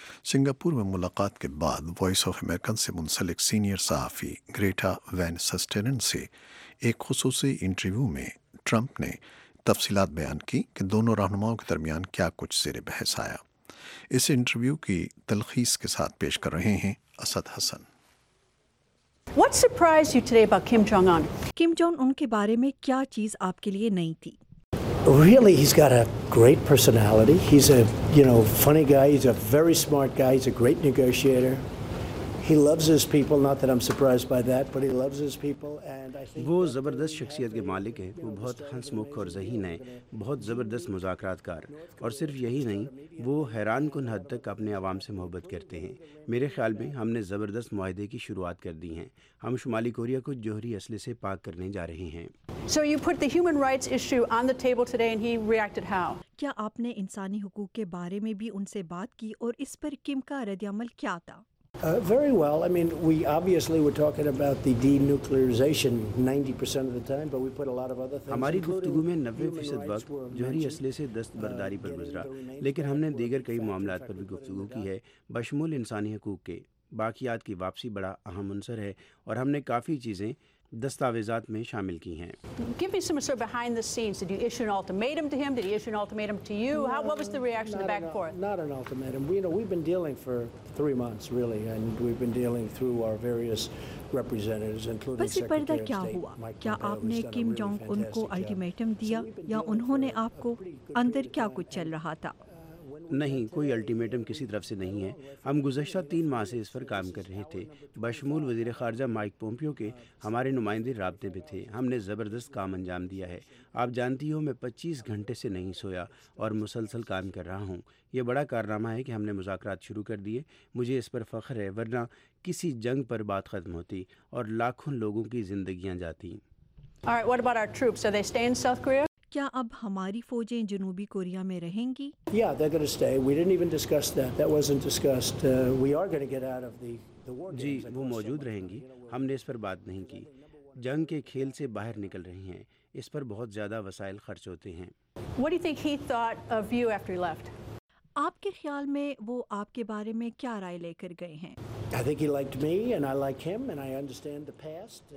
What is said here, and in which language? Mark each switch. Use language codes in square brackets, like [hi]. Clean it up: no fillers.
[ur] Singapore میں ملاقات کے بعد وائس آف امریکن سے منسلک سینئر صحافی گریٹا وین سسٹرن سے ایک خصوصی انٹرویو میں ٹرمپ نے تفصیلات بیان کی کہ دونوں رہنماؤں کے درمیان کیا کچھ زیر بحث آیا۔ اس انٹرویو کی تلخیص کے ساتھ پیش کر رہے ہیں اسد حسن. [en] What surprised you today about Kim Jong-un? [ur] Kim Jong-un کے بارے میں کیا چیز آپ کے لیے نئی تھی؟ [en] Really, he's got a great personality. He's a, you know, funny guy. He's a very smart guy. He's a great negotiator. He loves his people. Not that I'm surprised by that, but he loves his people. And I think [ur] وہ زبردست شخصیت کے مالک ہیں. وہ بہت ہنس مکھ اور ذہین ہیں. بہت زبردست مذاکرات کار. اور صرف یہی نہیں, وہ حیران کن حد تک اپنے عوام سے محبت کرتے ہیں. میرے خیال میں ہم نے زبردست معاہدے کی شروعات کر دی ہیں. ہم شمالی کوریا کو جوہری اسلحے سے پاک کرنے جا رہے ہیں. [en] So you put the human rights issue on the table today and he reacted how? [ur] کیا آپ نے انسانی حقوق کے بارے میں بھی ان سے بات کی اور اس پر کم کا رد عمل کیا تھا؟ [en] Very well. I mean, we obviously were talking about the denuclearization 90% of the time, but we put a lot of other things. [ur] ہماری گفتگو میں 90% وقت جوہری اسلحے سے دستبرداری پر گزرا, لیکن ہم نے دیگر کئی معاملات پر بھی گفتگو کی ہے, بشمول انسانی حقوق کے. باقیات کی واپسی بڑا اہم عنصر ہے اور ہم نے کافی چیزیں دستاویزات میں شامل کی ہیں. [en] Give me some sort of behind the scenes. Did you issue an ultimatum to him? Did he issue an ultimatum to you? No, what was the reaction to back and forth? Not an ultimatum. We, you know, we've been dealing for 3 months really, and we've been dealing through our various representatives including Secretary of State. [ur] کیا ہوا, کیا آپ نے Kim Jong Un کو ultimatum دیا یا انہوں نے آپ کو؟ اندر کیا کچھ چل رہا تھا؟ نہیں, کوئی الٹیمیٹم کسی طرف سے نہیں ہے. ہم گزشتہ 3 ماہ سے اس پر کام کر رہے تھے. بشمول وزیر خارجہ مائک پومپیو کے ہمارے نمائندے رابطے میں تھے. ہم نے زبردست کام انجام دیا ہے. آپ جانتی ہو, میں 25 گھنٹے سے نہیں سویا اور مسلسل کام کر رہا ہوں. یہ بڑا کارنامہ ہے کہ ہم نے مذاکرات شروع کر دیے. مجھے اس پر فخر ہے, ورنہ کسی جنگ پر بات ختم ہوتی اور لاکھوں لوگوں کی زندگیاں جاتی. کیا اب ہماری فوجیں جنوبی کوریا میں رہیں گی؟ [en] Yeah, they're going to stay. We didn't even discuss that. That wasn't discussed. We are going to get out of the war games. [ur] جی, وہ موجود رہیں گی. ہم نے اس پر بات نہیں کی. جنگ کے کھیل سے باہر نکل رہی ہیں. اس پر بہت زیادہ وسائل خرچ ہوتے ہیں. [en] What do you think he thought of you after he left? [ur] آپ کے خیال میں وہ آپ کے بارے میں کیا رائے لے کر گئے ہیں؟ [en] I think he liked me and I like him and I understand the past.